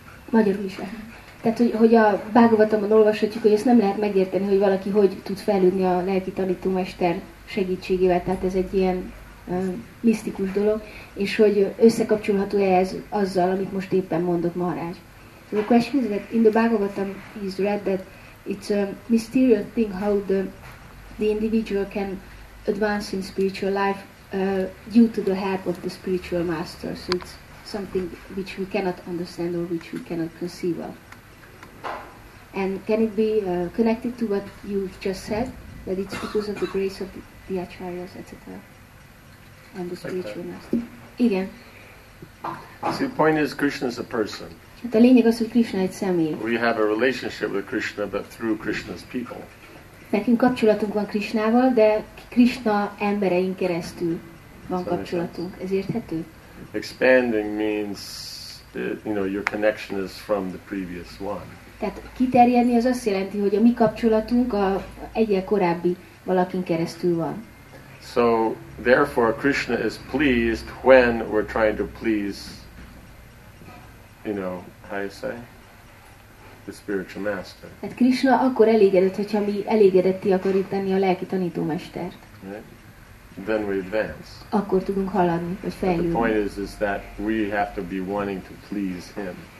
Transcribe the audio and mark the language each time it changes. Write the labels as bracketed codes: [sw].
[hu] Magyarul is. Tehát, hogy a Bhagavatamon olvashatjuk, hogy ezt nem lehet megérteni, hogy valaki hogy tud fejlődni a lelki tanítómester segítségével, tehát ez egy ilyen misztikus dolog, és hogy összekapcsolható-e ez azzal, amit most éppen mondott Maharaj. [en] So the question is that in the Bhagavatam is read that it's a mysterious thing how the individual can advance in spiritual life due to the help of the spiritual master. So it's something which we cannot understand or which we cannot conceive of. And can it be connected to what you just said, that it's because of the grace of the acharyas, etc., and the spiritual master? [hu] Igen. [en] See, the point is, Krishna is a person. [hu] A lényeg az, hogy Krishna egy személy. [en] We have a relationship with Krishna, but through Krishna's people. [hu] Nekünk kapcsolatunk van Krishnával, de Krishna emberein keresztül van kapcsolatunk. Ez érthető? [en] Expanding means, you know, your connection is from the previous one. [hu] Tehát kiterjedni az azt jelenti, hogy a mi kapcsolatunk a egyel korábbi valakin keresztül van. [en] So therefore Krishna is pleased when we're trying to please, you know, how you say, the spiritual master. [hu] Tehát Krishna akkor elégedett, hogyha mi elégedetté akarjuk tenni a lelki tanítómestert. [en] Then we advance. [hu] Akkor tudunk haladni, vagy fejlődni. [en] But the point is that we have to be wanting to please him.